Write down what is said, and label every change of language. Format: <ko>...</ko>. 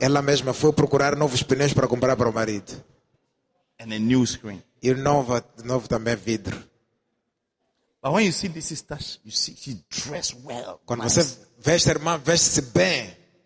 <pt>Ela mesma foi procurar novos pneus para comprar para o marido.</pt> <en>And a new screen.</en> <pt>E novo também vidro.</pt> <en>But when you see this sister, you see she dressed well.</en> <pt>Quando você veste a irmã, veste-se bem.</pt>